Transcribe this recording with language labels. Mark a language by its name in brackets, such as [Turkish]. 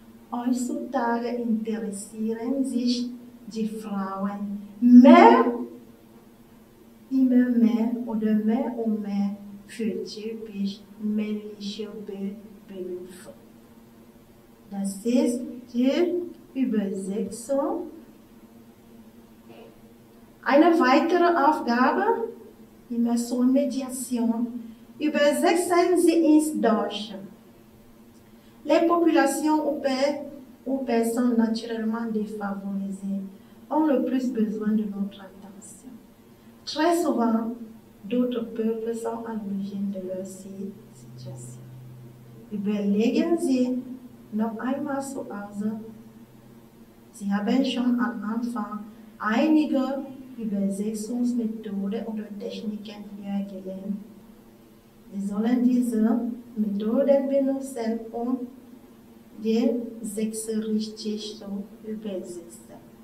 [German] Heutzutage interessieren sich die Frauen mehr, immer mehr oder mehr und mehr für typisch männliche Berufe. Das ist die Übersetzung. Eine weitere Aufgabe, immer so Mediation. Übersetzen Sie ins Deutsche. [French] Les populations ou personnes naturellement défavorisées ont le plus besoin de notre attention. Très souvent, d'autres peuples sont à l'origine de leur situation. [German] Überlegen Sie, noch einmal zu Hause. Sie haben schon am Anfang einige Übersetzungsmethoden oder Techniken hier gelernt. Sie sollen diese Methoden benutzen, um die Sätze richtig zu übersetzen.